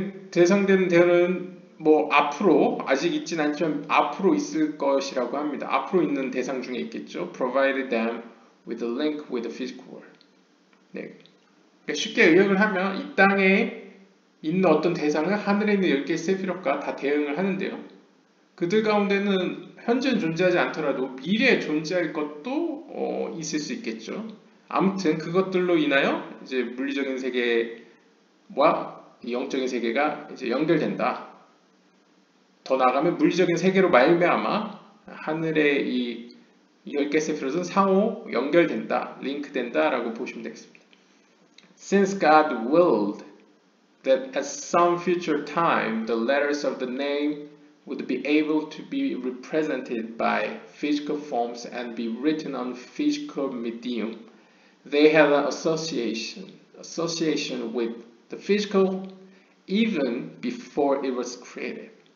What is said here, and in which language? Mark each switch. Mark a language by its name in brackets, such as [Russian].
[Korean] 대응되는 대상은 뭐 앞으로 아직 있진 않지만 앞으로 있을 것이라고 합니다. 앞으로 있는 대상 중에 있겠죠. [English] Provided them with a link with the physical world. [Korean] 네. 그러니까 쉽게 의역을 하면 이 땅에 있는 어떤 대상은 하늘에 있는 10개의 세피롯과 다 대응을 하는데요. 그들 가운데는 현재는 존재하지 않더라도 미래에 존재할 것도 있을 수 있겠죠. 아무튼 그것들로 인하여 이제 물리적인 세계와 영적인 세계가 이제 연결된다. 더 나아가면 물리적인 세계로 말미암아 하늘의 이 10개 세피롯은 상호 연결된다, 링크된다라고 보시면 되겠습니다. [English] Since God willed that at some future time the letters of the name would be able to be represented by physical forms and be written on physical medium. They have an association with the physical even before it was created.